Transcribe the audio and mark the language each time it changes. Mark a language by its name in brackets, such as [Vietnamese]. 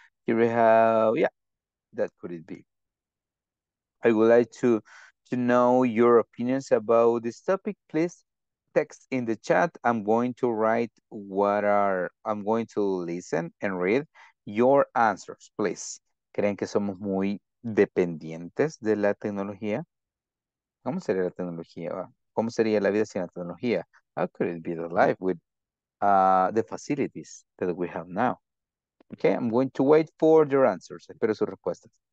[English] Here we have, yeah, that could it be. I would like to know your opinions about this topic. Please text in the chat. I'm going to write I'm going to listen and read your answers, please. [Spanish] ¿Creen que somos muy dependientes de la tecnología? ¿Cómo sería la tecnología? ¿Cómo sería la vida sin la tecnología? [English] How could it be the life with the facilities that we have now. Okay, I'm going to wait for your answers. [Spanish] Espero sus respuestas.